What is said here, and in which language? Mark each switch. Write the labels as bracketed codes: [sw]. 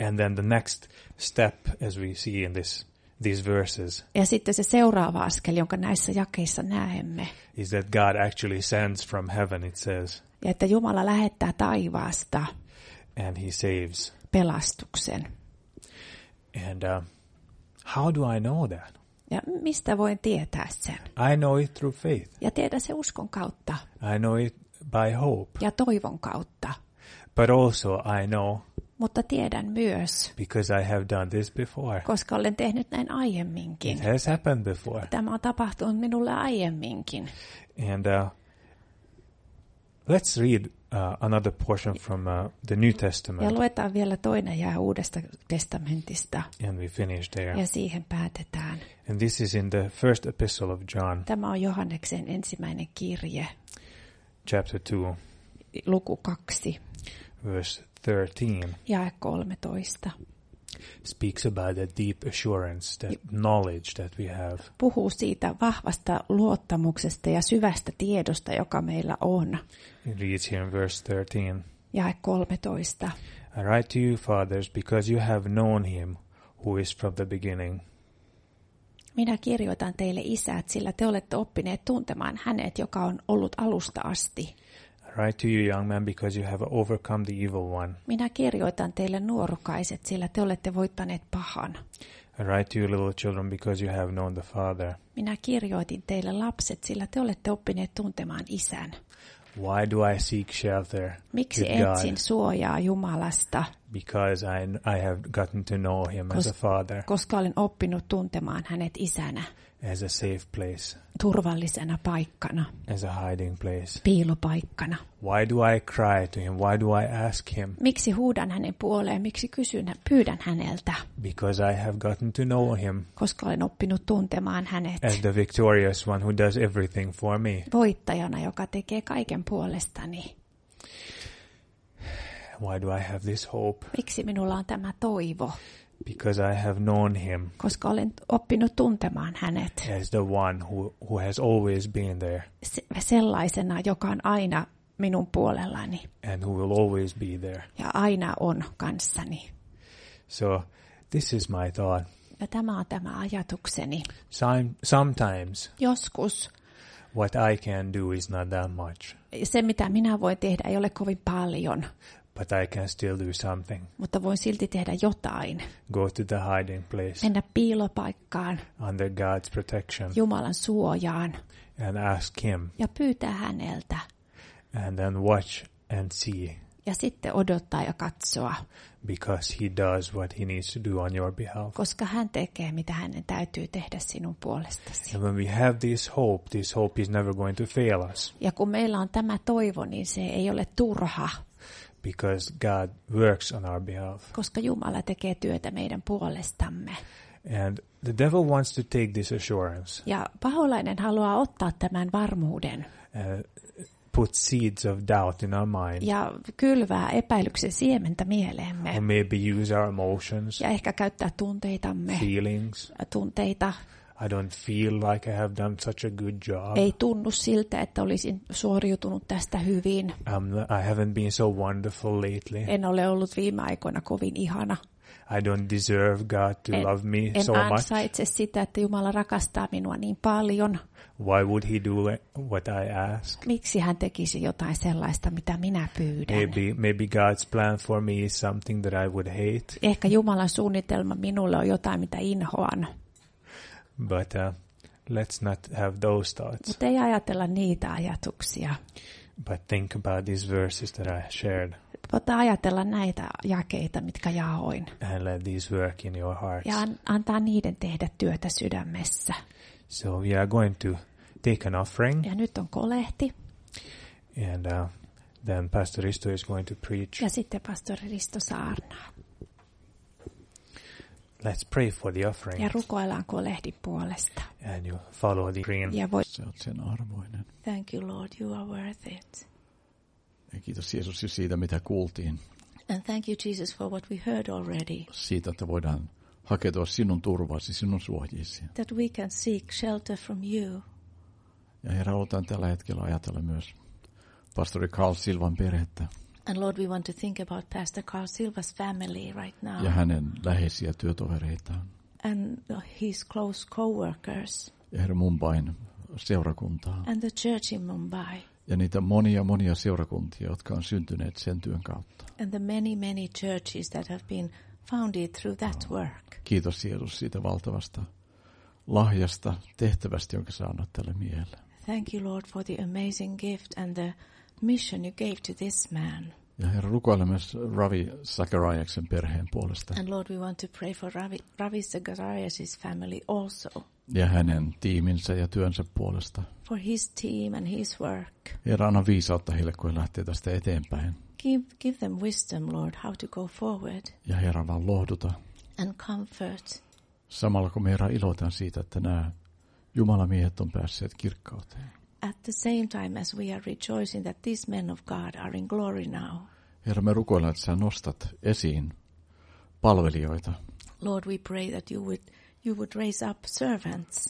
[en] And then the next step, as we see in these verses. [fi] Ja sitten se seuraava askel, jonka näissä jakeissa näemme. [en] Is that God actually sends from heaven, it says. [fi] Ja että Jumala lähettää taivaasta. [en] And he saves. [fi] Pelastuksen. [en] And how do I know that? [fi] Ja mistä voin tietää sen? [en] I know it through faith. [fi] Ja tiedän se uskon kautta. [en] I know it by hope. [fi] Ja toivon kautta. [en] But also I know. [fi] Mutta tiedän myös. [en] Because I have done this before. [fi] Koska olen tehnyt näin aiemminkin. [en] It has happened before. [fi] Tämä on tapahtunut minulle aiemminkin. [en] And let's read another portion from the New Testament. [fi] Ja luetaan vielä toinen jae Uudesta testamentista. [en] And we finish there. [fi] Ja siihen päätetään. [en] And this is in the first epistle of John. [fi] Tämä on Johanneksen ensimmäinen kirje. [en] Chapter 2. [fi] Luku 2. [en] Verse 13. [fi] Jae 13. [en] Speaks about the deep assurance, that knowledge that we have. [fi] Puhuu siitä vahvasta luottamuksesta ja syvästä tiedosta, joka meillä on. [en] It reads here in verse 13. [fi] Jae 13. [en] I write to you, fathers, because you have known him who is from the beginning. [fi] Minä kirjoitan teille, isät, sillä te olette oppineet tuntemaan hänet, joka on ollut alusta asti. [en] Write to you, young man, because you have overcome the evil one. [fi] Minä kirjoitan teille nuorukaiset, sillä te olette voittaneet pahan. [en] Write to you, little children, because you have known the Father. [fi] Minä kirjoitin teille lapset, sillä te olette oppineet tuntemaan isän. [en] Why do I seek shelter? [fi] Miksi etsin suojaa Jumalasta? [en] Because I have gotten to know him as a father. [fi] Koska olen oppinut tuntemaan hänet isänä. [en] As a safe place. [fi] Turvallisena paikkana. [en] As a hiding place. [fi] Piilopaikkana. [en] Why do I cry to him? Why do I ask him? [fi] Miksi huudan hänen puoleen? Miksi kysyn, pyydän häneltä? [en] Because I have gotten to know him. [fi] Koska olen oppinut tuntemaan hänet. [en] As the victorious one who does everything for me. [fi] Voittajana, joka tekee kaiken puolestani. [en] Why do I have this hope? [fi] Miksi minulla on tämä toivo? [en] Because I have known him. [fi] Koska olen oppinut tuntemaan hänet. [en] As the one who has always been there. [fi] Sellaisena, joka on aina minun puolellani. [en] And who will always be there. [fi] Ja aina on kanssani. [en] So this is my thought. [fi] Ja tämä on tämä ajatukseni. [en] Sometimes. [fi] Joskus. [en] What I can do is not that much. [fi] Se mitä minä voin tehdä ei ole kovin paljon. [en] But I can still do something. [fi] Mutta voin silti tehdä jotain. [en] Go to the hiding place. [fi] Mennä piilopaikkaan. [en] Under God's protection. [fi] Jumalan suojaan. [en] And ask him. [fi] Ja pyytää häneltä. [en] And then watch and see. [fi] Ja sitten odottaa ja katsoa. [en] Because he does what he needs to do on your behalf. [fi] Koska hän tekee mitä hänen täytyy tehdä sinun puolestasi. [en] And when we have this hope is never going to fail us. [fi] Ja kun meillä on tämä toivo, niin se ei ole turha. [en] Because God works on our behalf. [fi] Koska Jumala tekee työtä meidän puolestamme. [en] And the devil wants to take this assurance. [fi] Ja paholainen haluaa ottaa tämän varmuuden. [en] Put seeds of doubt in our mind. [fi] Ja kylvää epäilyksen siementä mieleemme. [en] Or maybe use our emotions. [fi] Ja ehkä käyttää tunteitamme. [en] Feelings. [fi] Tunteita. [en] I don't feel like I have done such a good job. [fi] Ei tunnu siltä, että olisin suoriutunut tästä hyvin. [en] I haven't been so wonderful lately. [fi] En ole ollut viime aikoina kovin ihana. [en] I don't deserve God to love me so much. [fi] En ansaitse sitä, että Jumala rakastaa minua niin paljon. [en] Why would he do what I ask? [fi] Miksi hän tekisi jotain sellaista, mitä minä pyydän? [en] Maybe God's plan for me is something that I would hate. [fi] Ehkä Jumalan suunnitelma minulle on jotain, mitä inhoan. [en] But let's not have those thoughts. [fi] Mutta ei ajatella niitä ajatuksia. [en] But think about these verses that I shared. [fi] Mutta ajatella näitä jakeita, mitkä jaoin. [en] And let these work in your hearts. [fi] Ja antaa niiden tehdä työtä sydämessä. [en] So we are going to take an offering. [fi] Ja nyt on kolehti. [en] And then Pastor Risto is going to preach. [fi] Ja sitten Pastor Risto saarnaa. [en] Let's pray for the offering. [fi] Ja rukoillaan kolehdin puolesta. [en] And you follow the green. [fi] Ja voi. Sä oot sen arvoinen. [en] Thank you, Lord, you are worth it. [fi] Ja kiitos Jeesus siitä, mitä kuultiin. [en] And thank you, Jesus, for what we heard already. [fi] Siitä, että voidaan hakeutua sinun turvasi, sinun suojiisi. [en] That we can seek shelter from you. [fi] Ja Herra, halutaan tällä hetkellä ajatella myös pastori Carl Silvan perhettä. [en] And Lord, we want to think about Pastor Carl Silva's family right now. [fi] Ja hänen läheisiä työtovereitaan. [en] And his close co-workers. [fi] Ja Herra, Mumbain seurakuntaa. [en] And the church in Mumbai. [fi] Ja niitä monia, monia seurakuntia, jotka on syntyneet sen työn kautta. [en] And the many, many churches that have been founded through that work. [fi] Kiitos Jeesus siitä valtavasta lahjasta, tehtävästä, jonka sä annat tälle miehelle. [en] Thank you, Lord, for the amazing gift and the mission you gave to this man. [fi] Ja Herra, rukoilla myös Ravi Zachariasin perheen puolesta. [en] And Lord, we want to pray for Ravi Zachariasin family also. [fi] Ja hänen tiiminsä ja työnsä puolesta. [en] For his team and his work. [fi] Herra, anna viisautta heille, kun he lähtee tästä eteenpäin. [en] Give them wisdom, Lord, how to go forward. [fi] Ja Herra, vaan lohduta. [en] And comfort. [fi] Samalla kun me, Herra, iloitan siitä, että nämä jumalamiehet on päässeet kirkkauteen. [en] At the same time as we are rejoicing that these men of God are in glory now. [fi] Herra, me rukoillaan, että sä nostat esiin palvelijoita. [en] Lord, we pray that you would raise up servants.